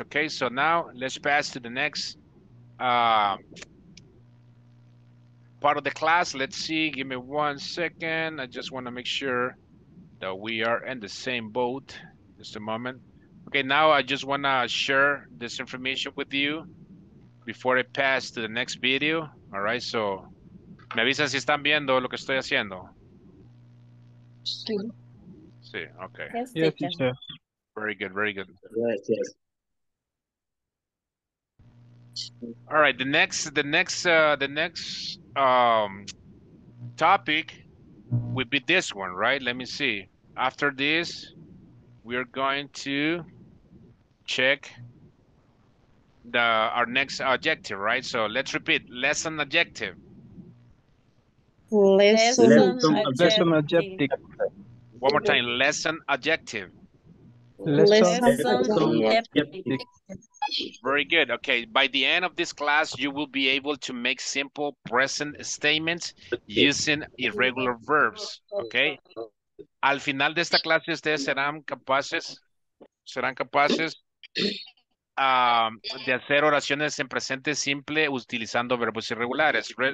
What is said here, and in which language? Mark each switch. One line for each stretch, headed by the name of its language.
English: Okay, so now let's pass to the next part of the class. Let's see, give me 1 second. I just want to make sure that we are in the same boat. Just a moment. Okay, now I just want to share this information with you before I pass to the next video. All right, so
Spanish: me avisan si están viendo lo que estoy haciendo. Sí.
English: Okay. Yes, teacher. Very good. Yes. All right, the next topic would be this one, right? Let me see. After this, we are going to check our next objective, right? So let's repeat, lesson objective. Lesson objective. One more time, lesson objective. Lesson objective. Very good. Okay, by the end of this class, you will be able to make simple present statements using irregular verbs.
Spanish: Okay, al final de esta clase ustedes serán capaces de hacer oraciones en presente simple utilizando verbos irregulares.